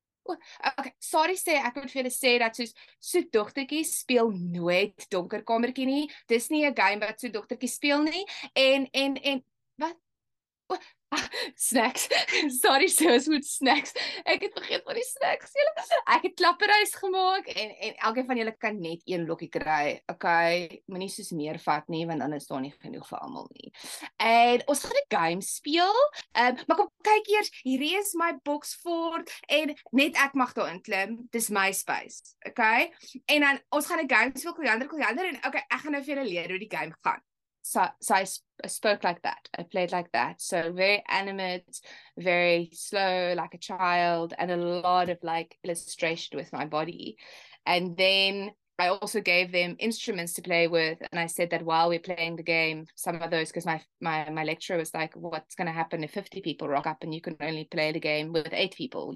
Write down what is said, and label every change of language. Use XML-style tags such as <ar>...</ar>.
<af>Okay, Sari sê, ek moet vir julle sê dat so dogtertjie speel nooit donker kamertjie nie. Dis nie 'n game wat so dogtertjie speel nie. En wat? Snacks. Sari sê ons moet snacks. Ek het vergeet van die snacks. Julle, ek het klapperys gemaak en elkeen van julle kan net een lokkie kry. Okay, moenie soos meer vat nie, want dan is daar nie genoeg vir almal nie. En ons gaan 'n game speel. Maar kom kyk eers, hierdie is my box fort en net ek mag daarin klim. Dis my space. Okay? En dan ons gaan 'n game speel, Koriander en okay, ek gaan nou vir julle leer hoe die game gaan.</af> <en>So I spoke like that. I played like that. So very animate, very slow, like a child, and a lot of like illustration with my body. And then I also gave them instruments to play with. And I said that while we're playing the game, some of those, because my lecturer was like, what's going to happen if 50 people rock up and you can only play the game with 8 people?</en>